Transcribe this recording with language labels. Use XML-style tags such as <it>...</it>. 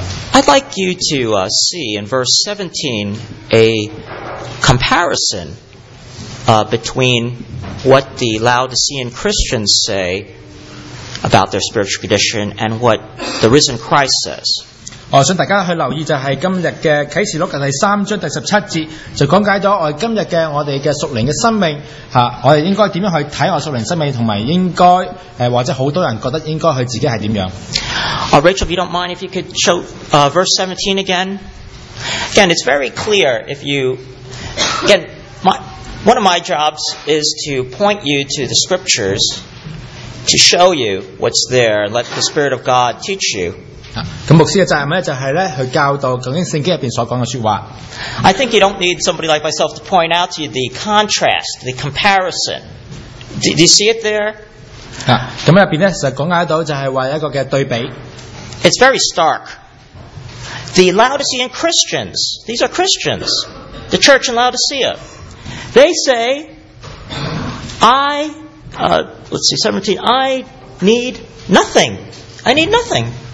<en>I'd like you to see in verse 17 a comparison between what the Laodicean Christians say about their spiritual condition and what the risen Christ says.</en> <zh>我想大家去留意就是今日的启示录第三章第十七节，就讲解到今日的我们的属灵的生命，我们应该怎样去看我属灵生命，同埋应该或者很多人觉得应该去自己是怎样。</zh> <en>Rachel, if you don't mind, if you could show verse 17 again. Again, it's very clear if you... Again, one of my jobs is to point you to the scriptures to show you what's there and let the Spirit of God teach you.</en> <zh>牧师的责任就是去教导究竟圣经里面所讲的说话。</zh> <en>I think you don't need somebody like myself to point out to you the contrast, the comparison. Do you see it there?</en> <zh>那么里面实际讲解到就是说一个对比。</zh> <en>It's very stark. The Laodicean Christians, these are Christians, the church in Laodicea, they say, I need nothing.</en>